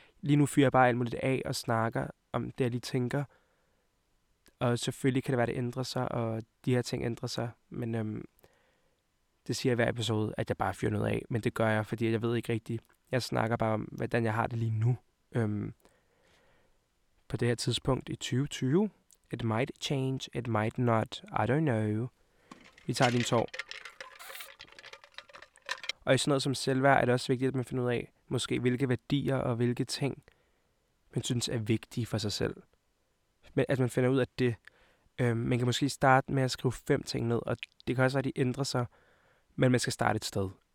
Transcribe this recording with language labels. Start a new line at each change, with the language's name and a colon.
Danish: Lige nu fyrer jeg bare alt muligt af og snakker om det, jeg lige tænker. Og selvfølgelig kan det være, at det ændrer sig, og de her ting ændrer sig. Men det siger jeg hver episode, at jeg bare fyrer noget af. Men det gør jeg, fordi jeg ved ikke rigtigt. Jeg snakker bare om, hvordan jeg har det lige nu. På det her tidspunkt i 2020.
English: It might change, it might not, I don't know.
Danish: Vi tager din tår. Og i sådan noget som selvværd er det også vigtigt, at man finder ud af, måske hvilke værdier og hvilke ting, man synes er vigtige for sig selv. Men at man finder ud af det. Man kan måske starte med at skrive 5 ting ned, og det kan også være, at de ændrer sig, men man skal starte et sted.